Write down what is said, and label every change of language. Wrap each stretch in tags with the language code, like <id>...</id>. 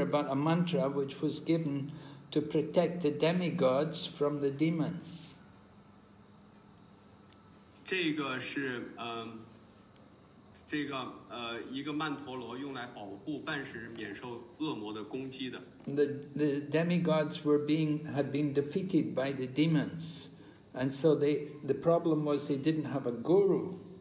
<en>about a mantra which was given to protect the demigods from the demons.</en> <zh>这个是, 这个一个曼陀罗用来保护半神免受恶魔的攻击的</zh> <en>The demigods had been defeated by the demons, and so the problem was they didn't have a guru.</en>